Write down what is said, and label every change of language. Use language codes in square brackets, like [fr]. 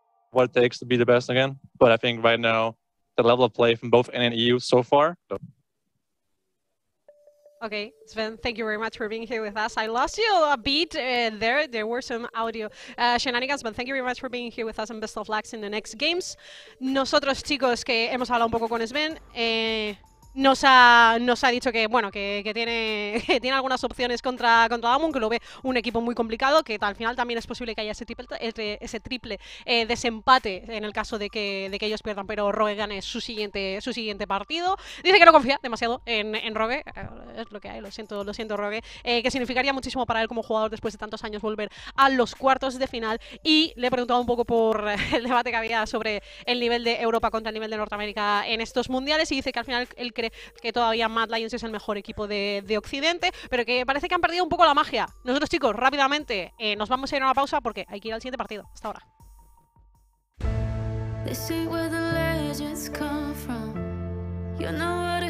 [en] What it takes to be the best again, but I think right now the level of play from both NA and EU so far. So. Okay, Sven, thank you very much for being here with us. I lost you a bit there. There were some audio shenanigans, but thank you very much for being here with us and best of luck in the next games. [es] Nosotros, chicos, que hemos hablado un poco con Sven, nos ha dicho que, bueno, que tiene algunas opciones contra Damwon, que lo ve un equipo muy complicado, que al final también es posible que haya ese triple desempate en el caso de que ellos pierdan, pero Rogue gane su siguiente partido. Dice que no confía demasiado en Rogue, es lo que hay, lo siento Rogue, que significaría muchísimo para él como jugador después de tantos años volver a los cuartos de final. Y le he preguntado un poco por el debate que había sobre el nivel de Europa contra el nivel de Norteamérica en estos mundiales, y dice que al final el cree que todavía Mad Lions es el mejor equipo de Occidente, pero que parece que han perdido un poco la magia. Nosotros, chicos, rápidamente nos vamos a ir a una pausa porque hay que ir al siguiente partido. Hasta ahora. [en] This is where the legends come from. You know.